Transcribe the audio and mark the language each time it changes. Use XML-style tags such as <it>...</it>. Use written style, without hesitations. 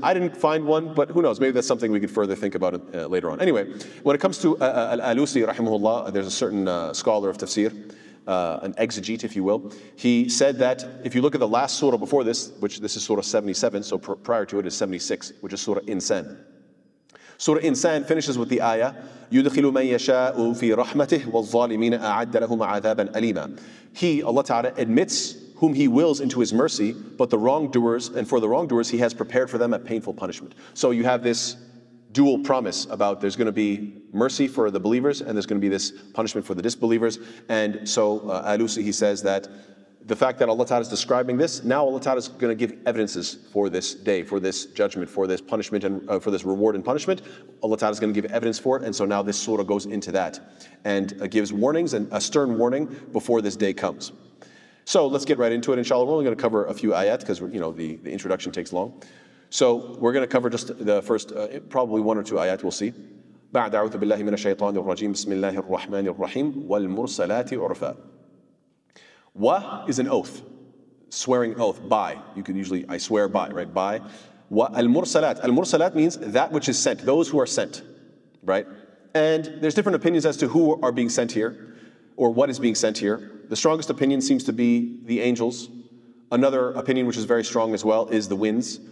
<en>I didn't find one, but who knows? Maybe that's something we could further think about later on. Anyway, when it comes to Al-Alusi, rahimahullah, there's a certain scholar of tafsir, an exegete, if you will, he said that if you look at the last surah before this, which this is surah 77, so prior to it is 76, which is surah Insan. Surah Insan finishes with the ayah,</en> <ar>يُدْخِلُ مَنْ يَشَاءُ فِي رَحْمَتِهِ وَالظَّالِمِينَ أَعَدَّ لَهُمْ عَذَابًا أَلِيمًا.</ar> <en>He, Allah Ta'ala, admits whom he wills into his mercy, but the wrongdoers, and for the wrongdoers, he has prepared for them a painful punishment. So you have this dual promise about there's going to be mercy for the believers and there's going to be this punishment for the disbelievers. And so Alusi, he says that the fact that Allah Ta'ala is describing this, now Allah Ta'ala is going to give evidences for this day, for this judgment, for this punishment and for this reward and punishment. Allah Ta'ala is going to give evidence for it. And so now this surah goes into that and gives warnings and a stern warning before this day comes. So let's get right into it, inshallah. We're only going to cover a few ayat because, you know, the introduction takes long. So we're going to cover just the first, probably one or two ayat, we'll see.</en> <ar>بعد أعوذ بالله من الشيطان الرجيم بسم الله الرحمن الرحيم والمرسلات عرفا.</ar> <en>Wa is an oath, swearing oath, by. You can usually, I swear by, right? By. Wa al-mursalat. Al-mursalat means that which is sent, those who are sent, right? And there's different opinions as to who are being sent here or what is being sent here. The strongest opinion seems to be the angels. Another opinion which is very strong as well is the winds.</en>